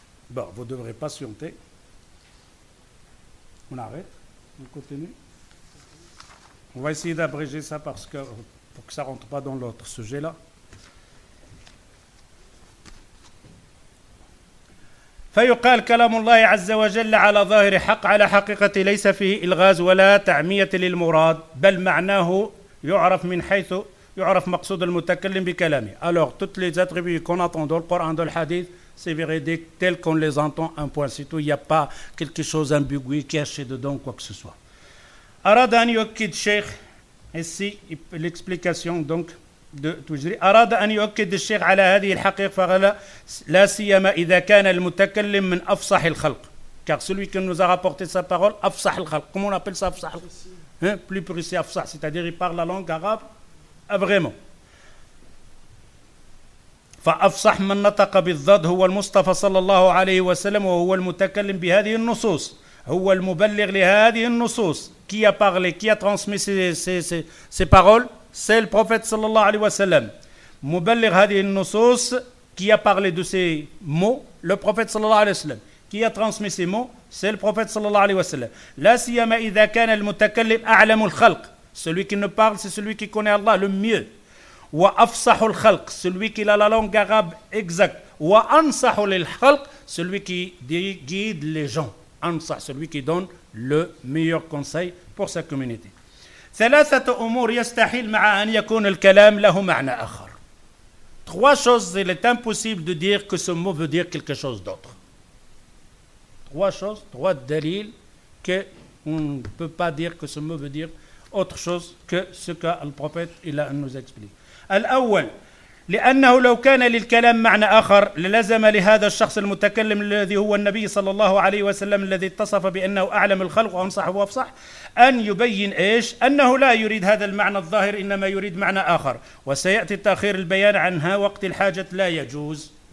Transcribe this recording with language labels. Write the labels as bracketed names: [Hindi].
[French] Bon, vous devrez patienter. On arrête, on continue. On va essayer d'abréger ça parce que pour que ça ne rentre pas dans l'autre sujet-là. [Arabic] فيقال كلام الله عز وجل على ظاهر حق على حقيقة ليس فيه إلغاز ولا تعمية للمراد بل معناه يعرف من حيث يعرف مقصود المتكلم بكلامه. [French] Alors toutes les attributs qu'on entend dans le Coran dans le Hadith, c'est véridique tel qu'on les entend. Un point, c'est tout. Il n'y a pas quelque chose ambigu caché dedans, quoi que ce soit. [Arabic] أراد أن يؤكد الشيخ [French] ici l'explication donc. [Arabic] أراد أن يؤكد الشيخ على هذه الحقيقة فقال لا سيما إذا كان المتكلم من أفصح الخلق [French] car celui qui nous a rapporté sa parole [Arabic] أفصح الخلق [French] comment on appelle ça [Arabic] أفصح الخلق hein? [French] plus précis [Arabic] أفصح [French] c'est-à-dire il parle la langue arabe vraiment [Arabic] فأفصح من نطق بالضد هو المصطفى صلى الله عليه وسلم وهو المتكلم بهذه النصوص هو المبلغ لهذه النصوص [French] qui a parlé qui a transmis ses paroles. C'est le prophète sallallahu alayhi wa sallam. [Arabic] Muballigh hadhihi an-nusus [French] qui a parlé de ces mots, le prophète sallallahu alayhi wa sallam. Qui a transmis ces mots, c'est le prophète sallallahu alayhi wa sallam. [Arabic] La siyama idha kana al-mutakallim a'lamu al-khalq. [French] Celui qui ne parle, c'est celui qui connaît Allah le mieux. [Arabic] وأفصح الخلق [French] celui qui a la langue arabe exact [Arabic] وأنصح للخلق [French] celui qui guide les gens [Arabic] أنصح [French] celui qui donne le meilleur conseil pour sa communauté. [Arabic] ثلاثة أمور يستحيل مع أن يكون الكلام له معنى آخر. [French] Trois choses, il est impossible de dire que ce mot veut dire quelque chose d'autre. Trois choses, trois dalil qu'on ne peut pas dire que ce mot veut dire autre chose que ce que le prophète il a nous expliqué. [Arabic] الأول لأنه لو كان للكلام معنى آخر للزم لهذا الشخص المتكلم الذي هو النبي صلى الله عليه وسلم الذي اتصف بأنه أعلم الخلق وأنصح وأفصح أن يبين إيش أنه لا يريد هذا المعنى الظاهر إنما يريد معنى آخر وسيأتي تأخير البيان عنها وقت الحاجة لا يجوز.